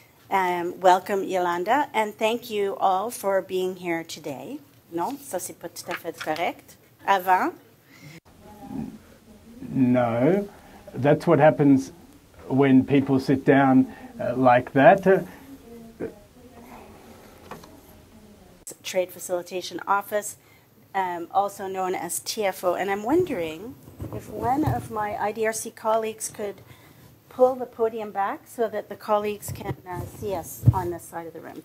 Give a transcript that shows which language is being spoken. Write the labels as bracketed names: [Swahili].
[English] Welcome, Yolanda, and thank you all for being here today. [French] Non, ça c'est pas tout à fait correct. Avant? [English] No, that's what happens when people sit down like that. Trade Facilitation Office, also known as TFO. And I'm wondering if one of my IDRC colleagues could pull the podium back so that the colleagues can see us on this side of the room.